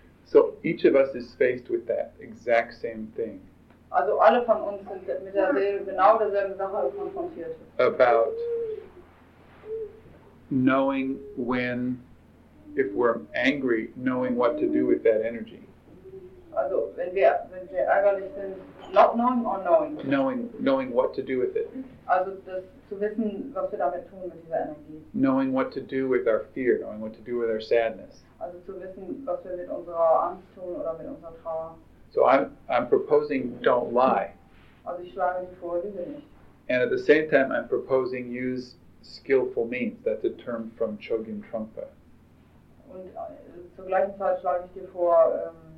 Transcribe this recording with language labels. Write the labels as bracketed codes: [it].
[en] So each of us is faced with that exact same thing. [de] Also alle von uns sind mit der genau derselben Sache konfrontiert. [en] About knowing when, if we're angry, knowing what to do with that energy. [de] Also wenn wir ärgerlich sind, [en] not knowing or knowing? Knowing what to do with it. [de] Also das zu wissen, was wir damit tun mit dieser Energie. [en] Knowing what to do with our fear, knowing what to do with our sadness. [de] Also zu wissen, was wir mit unserer Angst tun oder mit unserer Trauer. [en] So I'm proposing don't lie. [de] Also ich schlage die vor, lüge nicht. [en] And at the same time I'm proposing use skillful means. That's a term from Chogyam Trungpa. [de] Und zur gleichen Zeit schlage ich dir vor,